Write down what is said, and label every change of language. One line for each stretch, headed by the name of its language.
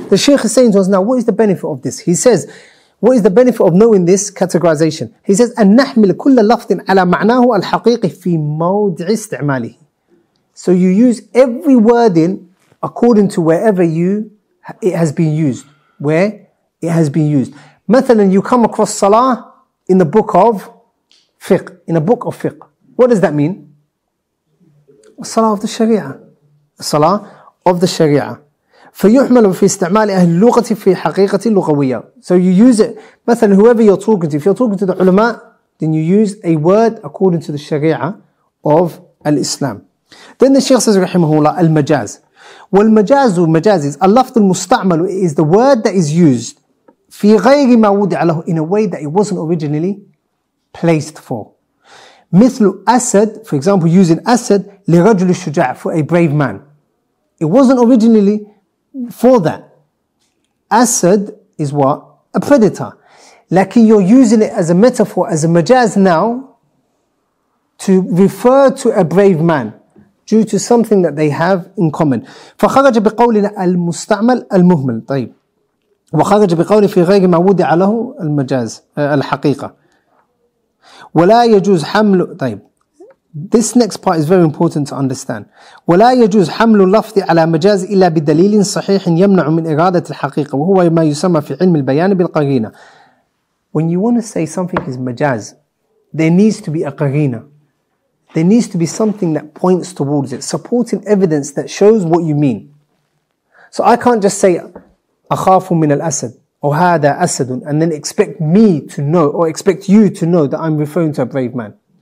English: The Sheikh is saying to us now, what is the benefit of this? He says, what is the benefit of knowing this categorization? He says,
Arabic: أن نحمل كل لفظ على معناه الحقيقي في موضع استعماله.
English: So you use every word in according to wherever you it has been used, where it has been used.
Arabic: مثلا
English: you come across salah in the book of fiqh, in a book of fiqh. What does that mean? Salah of the sharia. Salah of the sharia.
Arabic: فيحمل في استعمال أهل اللغة في حقيقة لغوية.
English: So you use it,
Arabic: مثلا
English: whoever you're talking to, if you're talking to the ulama, then you use a word according to the sharia of al-Islam. Then the Sheikh says
Arabic: رحمه الله المجاز والمجاز والمجاز
English: is
Arabic: اللفظ المستعمل
English: is the word that is used
Arabic: في غير ما وضع له
English: in a way that it wasn't originally placed for.
Arabic: مثل
English: أسد, for example, using أسد
Arabic: لرجل الشجاع,
English: for a brave man. It wasn't originally for that. أسد is what? A predator.
Arabic: لكن
English: you're using it as a metaphor, as a مجاز now to refer to a brave man due to something that they have in common.
Arabic: فخرج بقولنا المستعمل المهمل. طيب. وخرج بقول في غير ما وضع له المجاز الحقيقة. ولا يجوز حمل. طيب.
English: This next part is very important to understand.
Arabic: ولا يجوز حمل اللفظ على مجاز إلا بدليل صحيح يمنع من إرادة الحقيقة وهو ما يسمى في علم البيان بالقرينة.
English: When you want to say something is مجاز, there needs to be a قرينة. There needs to be something that points towards it, supporting evidence that shows what you mean. So I can't just say,
Arabic: أخاف من الأسد,
English: or
Arabic: هذا أسد,
English: and then expect me to know, or expect you to know that I'm referring to a brave man.